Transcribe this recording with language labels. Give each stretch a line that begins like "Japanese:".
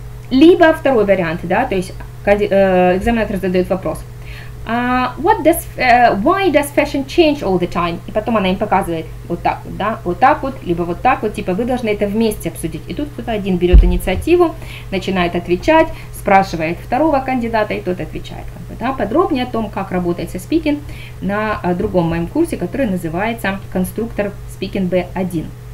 Russian: Либо второй вариант, да, то есть экзаменатор задает вопрос.
English: Why does fashion change all the time?
Russian: И потом она им показывает вот так вот, да, вот так вот, либо вот так вот, типа вы должны это вместе обсудить. И тут кто-то один берет инициативу, начинает отвечать, спрашивает второго кандидата, и тот отвечает. Как бы, да. Подробнее о том, как работает со speaking на другом моем курсе, который называется конструктор speaking B1.